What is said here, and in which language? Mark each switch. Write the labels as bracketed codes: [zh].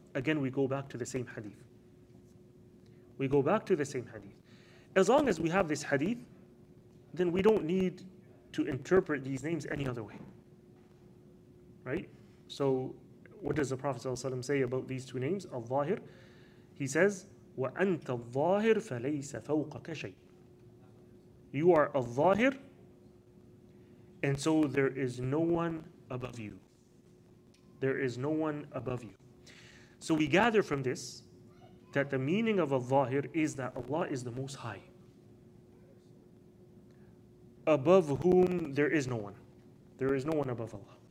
[en] Again, we go back to the same hadith. We go back to the same hadith. As long as we have this hadith, then we don't need to interpret these names any other way. Right? So what does the Prophet ﷺ say about these two names, Al-Zahir? He says, [ar] وَأَنْتَ الظَّاهِرُ فَلَيْسَ فَوْقَكَ شَيْءٍ. [en] You are Al-Zahir, and so there is no one above you. There is no one above you. So we gather from this that the meaning of Al-Zahir is that Allah is the Most High, above whom there is no one. There is no one above Allah.